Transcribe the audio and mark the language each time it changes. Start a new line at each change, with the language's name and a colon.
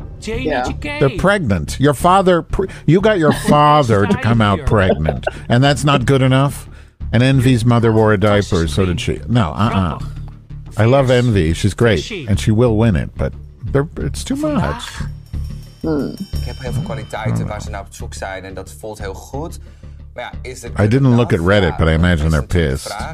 English: Yeah. They're pregnant. Your father, you got your father to come out pregnant, and that's not good enough. And Envy's mother wore a diaper, so did she. No, I love Envy. She's great, and she will win it, but it's too much.
Dutch: Ik heb heel veel kwaliteiten waar ze nou op zoek zijn, en dat voelt heel goed. Maar ja, is het
English: I didn't look at Reddit, but I imagine they're pissed.